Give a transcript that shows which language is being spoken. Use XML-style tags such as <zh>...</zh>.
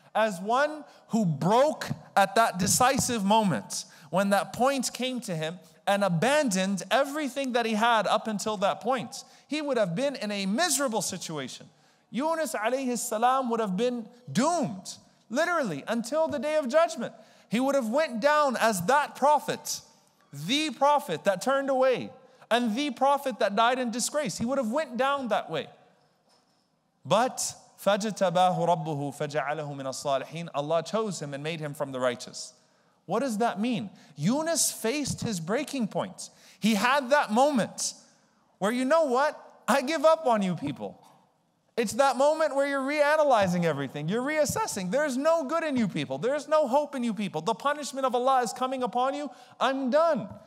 <en>As one who broke at that decisive moment, when that point came to him, and abandoned everything that he had up until that point, he would have been in a miserable situation. Yunus alayhi salam would have been doomed, literally, until the day of judgment. He would have went down as that prophet, the prophet that turned away, and the prophet that died in disgrace. He would have went down that way.</en> <ar>But فَجَتَبَاهُ رَبُّهُ فَجَعَلَهُ مِنَ الصَّالِحِينَ.</ar> <en>Allah chose him and made him from the righteous. What does that mean? Yunus faced his breaking point. He had that moment where, you know what? I give up on you people. It's that moment where you're reanalyzing everything. You're reassessing. There's no good in you people. There's no hope in you people. The punishment of Allah is coming upon you. I'm done.</en>